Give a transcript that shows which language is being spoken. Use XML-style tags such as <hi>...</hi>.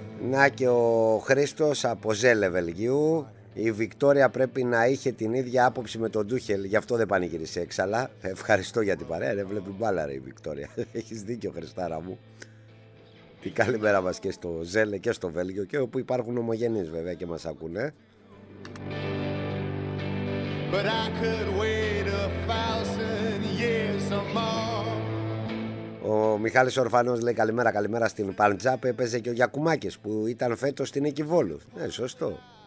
<el>Να και ο Χρήστος από Ζέλε Βελγίου. Η Βικτόρια πρέπει να είχε την ίδια άποψη με τον Τούχελ, γι' αυτό δεν πανηγύρισε έξαλα. Ευχαριστώ για την παρέα, ρε, βλέπει μπάλα ρε η Βικτόρια. Έχεις δίκιο, Χριστάρα μου. Την καλή μέρα μας και στο Ζέλε και στο Βέλγιο και όπου υπάρχουν ομογενείς βέβαια και μας ακούνε.</el> <en>But I could wait a thousand years or more.</en> <el>Ο Μιχάλης Ορφανός λέει καλημέρα, καλημέρα στην Παντζάπ. Έπαιζε και ο Γιακουμάκης που ήταν φέτος στην Νίκη Βόλου. Ναι, σωστό.</el>